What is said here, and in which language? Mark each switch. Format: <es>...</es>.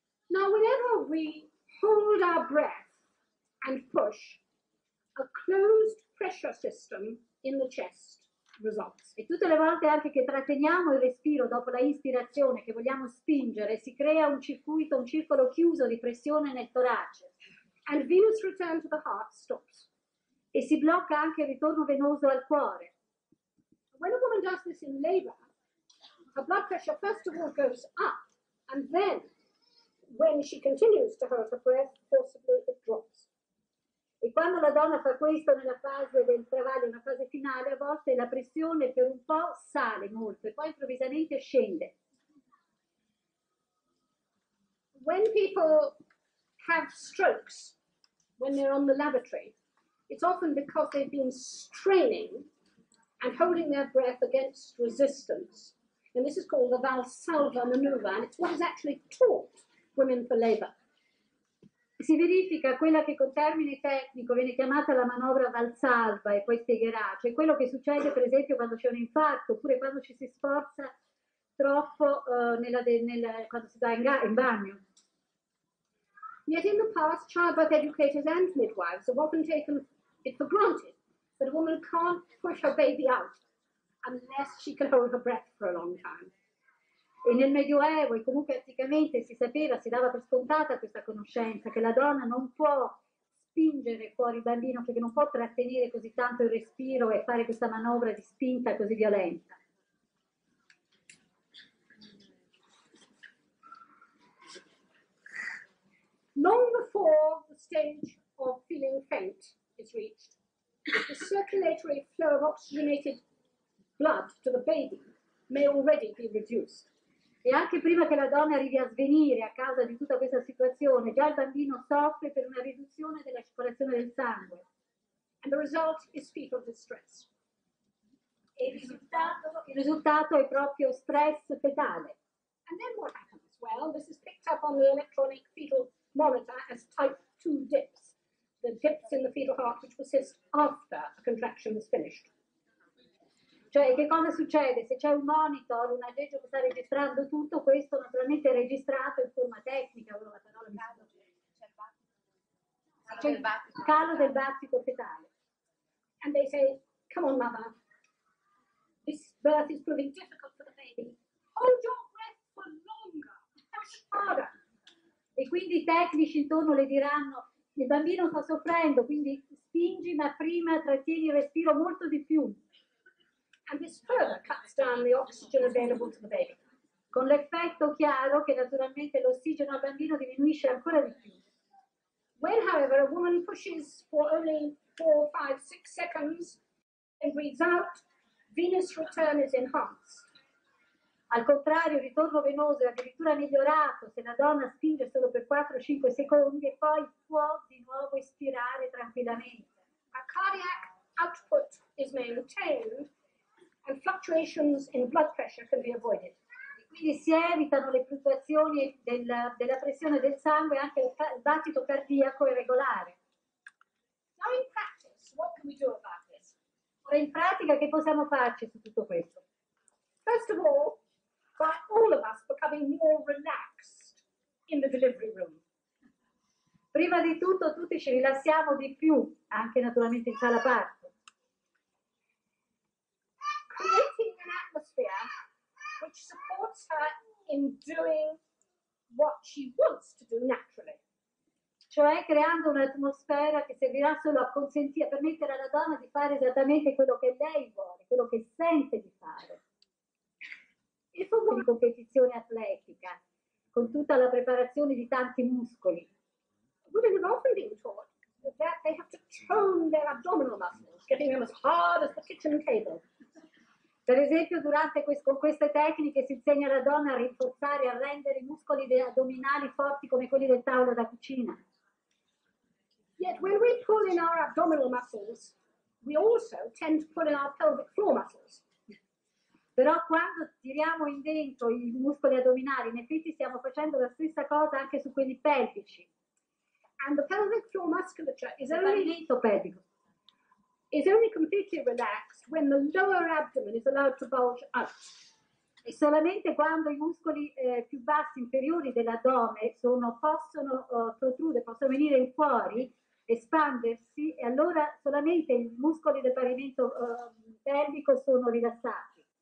<en>Now, whenever we hold our breath and push, a closed pressure system in the chest. Results.</en> <it>E tutte le volte anche che tratteniamo il respiro dopo la ispirazione, che vogliamo spingere, si crea un circuito, un circolo chiuso di pressione nel torace.</it> <en>And venous return to the heart stops.</en> <it>E si blocca anche il ritorno venoso al cuore.</it> <en>When a woman does this in labor, her blood pressure first of all goes up, and then, when she continues to hold her breath, possibly it drops.</en> <it>E quando la donna fa questo nella fase del travaglio, nella fase finale, a volte la pressione per un po' sale molto e poi improvvisamente scende.</it> <en>When people have strokes when they're on the lavatory, it's often because they've been straining and holding their breath against resistance. And this is called the Valsalva maneuver, and it's what is actually taught women for labor.</en> <it>Si verifica quella che con termine tecnico viene chiamata la manovra Valsalva, e poi spiegherà, cioè quello che succede per esempio quando c'è un infarto, oppure quando ci si sforza troppo quando si va in bagno.</it> <en>Yet in the past, childbirth educators and midwives have often taken it for granted that a woman can't push her baby out unless she can hold her breath for a long time.</en> <it>E nel Medioevo, e comunque anticamente, si sapeva, si dava per scontata questa conoscenza, che la donna non può spingere fuori il bambino, perché non può trattenere così tanto il respiro e fare questa manovra di spinta così violenta.</it> <en>Long before the stage of feeling faint is reached, the circulatory flow of oxygenated blood to the baby may already be reduced.</en> <it>E anche prima che la donna arrivi a svenire a causa di tutta questa situazione, già il bambino soffre per una riduzione della circolazione del sangue.</it> <en>And the result is fetal distress.</en> <it>E il risultato è proprio stress fetale.</it> <en>And then what happens? Well, this is picked up on the electronic fetal monitor as type 2 dips, the dips in the fetal heart which persist after a contraction is finished.</en> <it>Cioè, che cosa succede? Se c'è un monitor, un aggeggio che sta registrando tutto, questo naturalmente è registrato in forma tecnica, una parola calo, c'è il battito. Calo del battito fetale.</it> <en>And they say, come on mother, this birth is proving difficult for the baby. Hold your breath for longer, push harder.</en> <it>E quindi i tecnici intorno le diranno, il bambino sta soffrendo, quindi spingi, ma prima trattieni il respiro molto di più.</it> <en>And this further cuts down the oxygen available to the baby.</en> <it>Con l'effetto chiaro che naturalmente l'ossigeno al bambino diminuisce ancora di più.</it> <en>When, however, a woman pushes for only 4, 5, 6 seconds and breathes out, venous return is enhanced.</en> <it>Al contrario, il ritorno venoso è addirittura migliorato se la donna spinge solo per 4-5 secondi e poi può di nuovo ispirare tranquillamente.</it> <en>A cardiac output is maintained. And fluctuations in blood pressure can be avoided.</en> <it>E quindi si evitano le fluttuazioni della pressione del sangue, anche il battito cardiaco è regolare.</it> <en>Now in practice, what can we do about this?</en> <it>Ora in pratica che possiamo farci su tutto questo?</it> <en>First of all, by all of us becoming more relaxed in the delivery room.</en> <it>Prima di tutto tutti ci rilassiamo di più, anche naturalmente in sala parto.</it> <en>Creating an atmosphere which supports her in doing what she wants to do naturally.</en> <it>Cioè creando un'atmosfera che servirà solo a consentire, a permettere alla donna di fare esattamente quello che lei vuole, quello che sente di fare. E forse di competizione atletica, con tutta la preparazione di tanti muscoli.</it> <en>Women have often been taught that they have to tone their abdominal muscles, getting them as hard as the kitchen table.</en> <it>Per esempio, durante con queste tecniche si insegna alla donna a rinforzare, a rendere i muscoli addominali forti come quelli del tavolo da cucina.</it> <en>Yet when we pull in our abdominal muscles, we also tend to pull in our pelvic floor muscles.</en> <it>Però quando tiriamo in dentro i muscoli addominali, in effetti stiamo facendo la stessa cosa anche su quelli pelvici.</it> <en>And the pelvic floor musculature is only</en> <it>pelvico.</it> <en>Is only completely relaxed when the lower abdomen is allowed to bulge out.</en> <it>E solamente quando i muscoli più bassi inferiori dell'addome possono protrudere, possono venire in fuori, espandersi, e allora solamente i muscoli del pavimento pelvico sono rilassati.</it>